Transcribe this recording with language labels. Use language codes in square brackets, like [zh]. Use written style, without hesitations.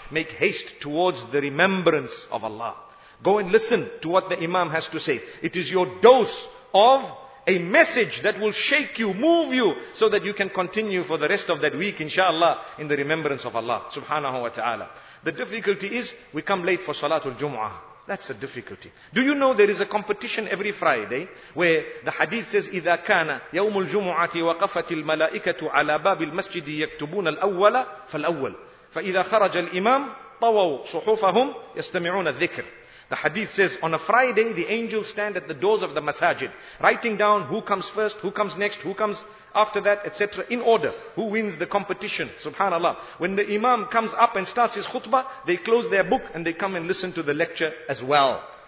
[en] Make haste towards the remembrance of Allah. Go and listen to what the Imam has to say. It is your dose of a message that will shake you, move you, so that you can continue for the rest of that week, inshallah, in the remembrance of Allah, subhanahu wa ta'ala. The difficulty is, we come late for Salatul Jumu'ah. That's a difficulty. Do you know there is a competition every Friday, where the hadith says, [ar] إِذَا كَانَ يَوْمُ الْجُمُعَةِ وَقَفَتِ الْمَلَائِكَةُ عَلَى بَابِ الْمَسْجِدِ يَكْتُبُونَ الْأَوَّلَ فَالْأَوَّلَ فَإِذَا خَرَجَ الْإِمَامُ طَوَوْ صُحُوفَهُمْ يَسْتَمِعُونَ الذِّكْرِ. [en] The hadith says, on a Friday, the angels stand at the doors of the masajid, writing down who comes first, who comes next, who comes after that, etc. In order, who wins the competition, subhanallah. When the imam comes up and starts his khutbah, they close their book and they come and listen to the lecture as well.